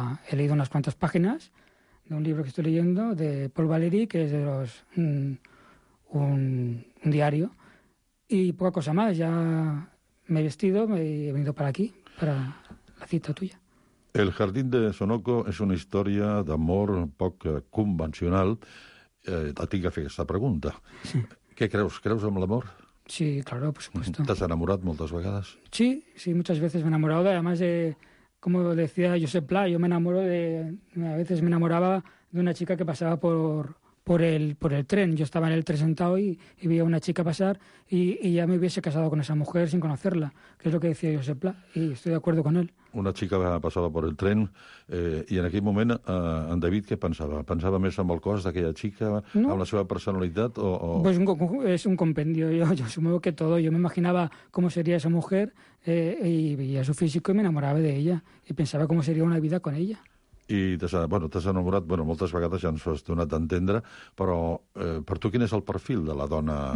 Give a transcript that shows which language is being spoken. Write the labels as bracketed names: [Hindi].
[Spanish] He leído unas cuantas páginas de un libro que estoy leyendo, de Paul Valéry, que es de los... un diario. Y poca cosa más, ya me he vestido y he venido para aquí, para la cita tuya. [Catalan] El jardín de Sonoco és una història d'amor poc convencional. Tinc que fer aquesta pregunta. Sí. Què creus? Creus en l'amor? [Spanish] Sí, claro, por supuesto. [Catalan] T'has enamorat moltes vegades? [Spanish] Sí, muchas veces me he enamorado. Además, como decía Josep Pla, yo me enamoro de... A veces me enamoraba de una chica que pasaba por el tren. Yo estaba en el tren sentado y vi a una chica pasar y ya me hubiese casado con esa mujer sin conocerla, que es lo que decía Josep Pla, y estoy de acuerdo con él. [Catalan] Una chica pasava per el tren i en aquell moment en David què pensava? Pensava més amb el cos d'aquella xica, no. Amb la seva personalitat o... [Spanish] Pues es un compendio, yo supongo que todo. Yo me imaginaba cómo sería esa mujer y veía su físico y me enamoraba de ella y pensaba cómo sería una vida con ella. [Catalan] I t'has enamorat, moltes vegades ja ens ho has donat d'entendre, però per tu quin és el perfil de la dona?